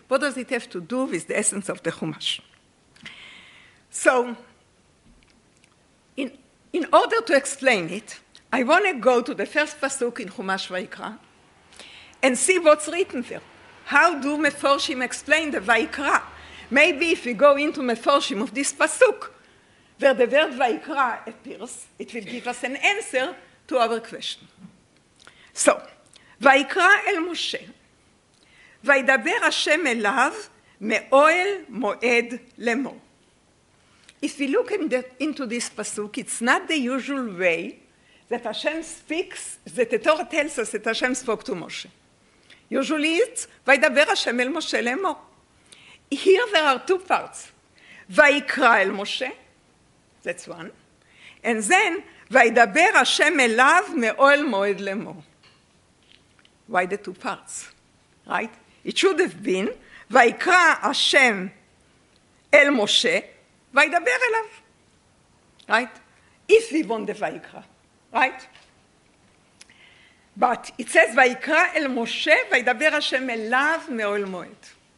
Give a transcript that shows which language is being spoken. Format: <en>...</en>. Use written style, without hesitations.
<en>What does it have to do with the essence of the Chumash? So, in order to explain it, I want to go to the first pasuk in Chumash Vayikra and see what's written there. How do Meforshim explain the Vayikra? Maybe if we go into Meforshim of this pasuk, where the word Vayikra appears, it will give us an answer to our question.</en> <he>So, Vayikra el Moshe. וידבר השם אליו מאוהל מועד למו.</he> <en>If we look into this pasuk, it's not the usual way that Hashem speaks, that the Torah tells us that Hashem spoke to Moshe. Usually it's,</en> <he>וידבר השם אל משה למו.</he> <en>Here there are two parts.</en> <he>ויקרא אל משה,</he> <en>that's one. And then,</en> <he>וידבר השם אליו מאוהל מועד למו.</he> <en>Why the two parts? Right? It should have been,</en> <he>Vayikra Hashem El Moshe, Vayidaber Elav.</he> <en>Right? If we want the Vayikra. Right? But it says,</en> <he>Vayikra El Moshe, Vayidaber Hashem Elav Me'ol Moed.</he>